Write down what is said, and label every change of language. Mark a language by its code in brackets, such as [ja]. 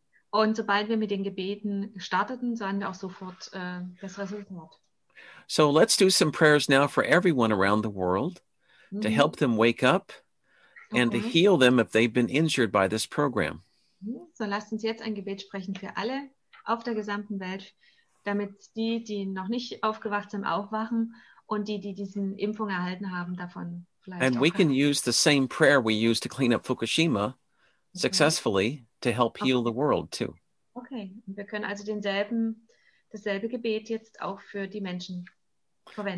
[de] Und sobald wir mit den Gebeten starteten, sahen wir auch sofort das Resultat. [en] So let's do some prayers now for everyone around the world to help them wake up and to heal them if they've been injured by this program. [de] So lasst uns jetzt ein Gebet sprechen für alle auf der gesamten Welt, damit die, die noch nicht aufgewacht sind, aufwachen und die, die diesen Impfung erhalten haben, davon vielleicht [en] and [de] auch we können. [en] Can use the same prayer we used to clean up Fukushima successfully to help heal the world too. [de] Okay, und wir können also dasselbe Gebet jetzt auch für die Menschen verwenden.